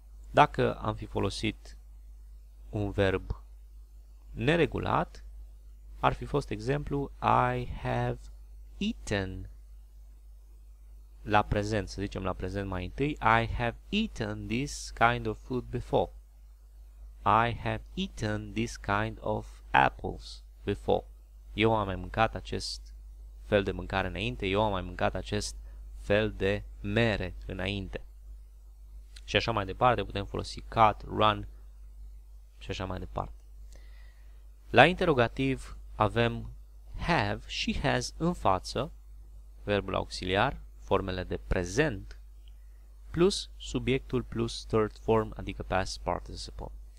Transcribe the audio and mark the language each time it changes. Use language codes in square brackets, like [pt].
[ro] Dacă am fi folosit un verb neregulat, ar fi fost exemplu [en] I have eaten. [ro] La prezent, să zicem la prezent mai întâi, [en] I have eaten this kind of food before. I have eaten this kind of apples before. [ro] Eu am mai mâncat acest fel de mâncare înainte, eu am mai mâncat acest fel de mere înainte. Și așa mai departe, putem folosi cut, run și așa mai departe. La interrogativ avem have, she has în față, verbul auxiliar, formele de prezent, plus subiectul plus third form, adică past participle.